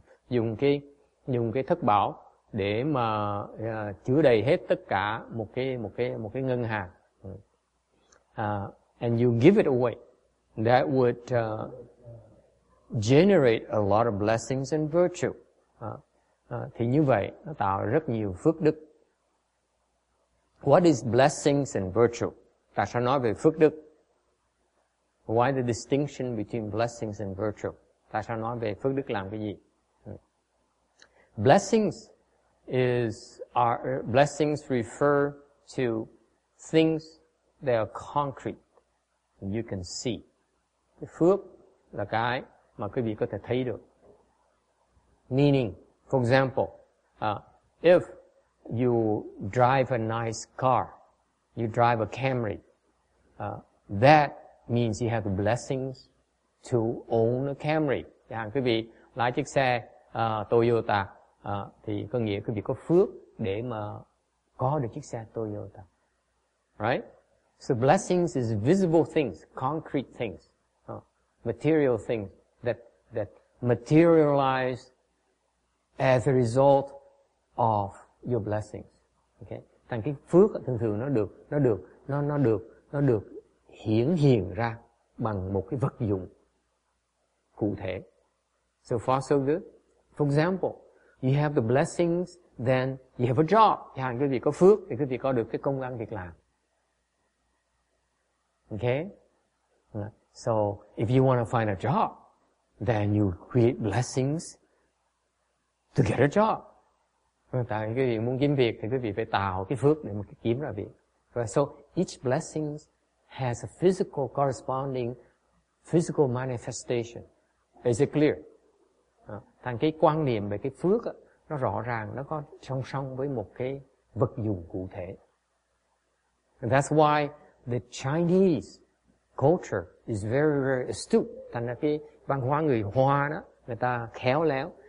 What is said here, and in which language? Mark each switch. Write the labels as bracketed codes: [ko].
[vi] Dùng cái thất bảo để mà chứa đầy hết tất cả một cái ngân hàng. [en] And you give it away, that would generate a lot of blessings and virtue. [vi] Thì như vậy nó tạo rất nhiều phước đức. [en] What is blessings and virtue? [vi] Ta sao nói về phước đức? [en] Why the distinction between blessings and virtue? [vi] Ta sao nói về phước đức làm cái gì? [en] Blessings refer to things that are concrete and you can see. [vi] Phước là cái mà quý vị có thể thấy được. [en] Meaning, for example, if you drive a nice car, you drive a Camry, that means you have blessings to own a Camry. [vi] Dạ, quý vị lái chiếc xe Toyota, thì có nghĩa quý vị có phước để mà có được chiếc xe Toyota. [en] Right? So blessings is visible things, concrete things, material things that materialize as a result of your blessings. Okay? [vi] Thành cái phước thường thường nó được hiển hiện ra bằng một cái vật dụng cụ thể. [en] So far so good. For example, you have the blessings, then you have a job. [vi] Yeah, quý vị có phước thì quý vị có được cái công ăn việc làm. [en] Okay? So if you want to find a job, then you create blessings to get a job. [vi] Tại quý vị muốn kiếm việc thì quý vị phải tạo cái phước để mà kiếm ra việc. Right? [en] So each blessing has a physical corresponding physical manifestation. Is it clear? [vi] Thành cái quan niệm về cái phước đó, nó rõ ràng, nó có song song với một cái vật dụng cụ thể. [en] And that's why the Chinese culture is very, very astute. [vi] Thành ra cái văn hóa người Hoa đó, người ta khéo léo.